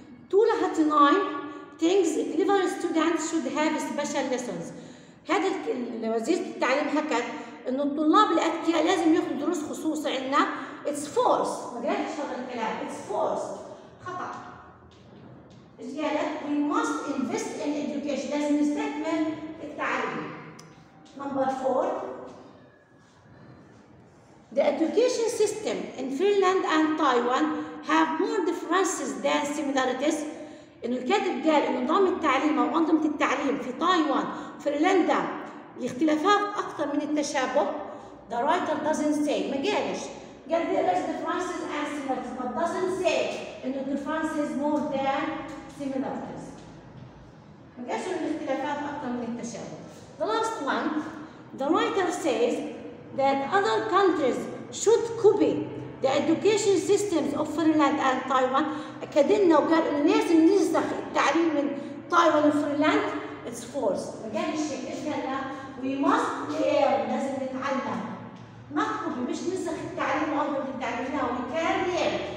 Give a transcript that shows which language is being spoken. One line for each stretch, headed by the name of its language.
English: Tula had 9 things clever students should have special lessons.
Arabic: هذا وزيرة التعليم حكت إنه الطلاب الأذكياء لازم ياخذوا دروس خصوصي عندنا.
English: It's false.
Arabic: ما قالتش هذا الكلام.
English: It's false.
Arabic: خطأ. إيش قالت؟
English: We must invest in education.
Arabic: لازم نستثمر في التعليم.
English: Number 4. The education system in Finland and Taiwan have more differences than similarities.
Arabic: إنه الكاتب قال إنه نظام التعليم أو أنظمة التعليم في تايوان فنلندا الاختلافات أكثر من التشابه.
English: The writer doesn't say.
Arabic: ما قالش. قال
English: there is differences and similarities but doesn't say
Arabic: إنه
English: differences more than similarities.
Arabic: ما قالش إنه الاختلافات أكثر من التشابه.
English: The last one. The writer says that other countries should copy the education systems of Finland and Taiwan.
Arabic: أكدنا وقال إنه لازم ننسخ التعليم من تايوان وفنلندا.
English: It's false.
Arabic: ما قالش إيش قالنا؟
English: We must learn.
Arabic: لازم نتعلم. ما تكتبي مش نسخ التعليم وأنظمة التعليم. لا
English: we can learn.